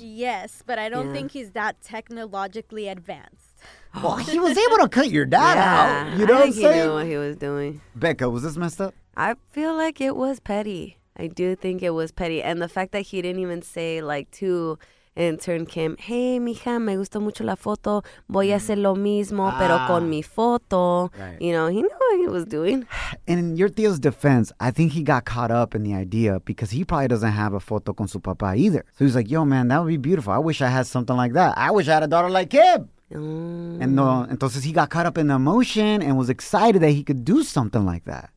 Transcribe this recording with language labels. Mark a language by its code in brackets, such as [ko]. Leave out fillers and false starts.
[en] Yes, but I don't think he's that technologically advanced. Well, he was able to cut your dad out. You know what I'm saying? I think he knew what he was doing. Becca, was this messed up? I feel like it was petty. I do think it was petty. And the fact that he didn't even say, like, to intern Kim, hey, [es] mija, me gustó mucho la foto. Voy a hacer lo mismo, pero con mi foto. [en] Right. You know, he knew what he was doing. And in your tío's defense, I think he got caught up in the idea because he probably doesn't have a foto [es] con su papá [en] either. So he's like, yo, man, that would be beautiful. I wish I had something like that. I wish I had a daughter like Kim. Entonces he got caught up in the emotion and was excited that he could do something like that.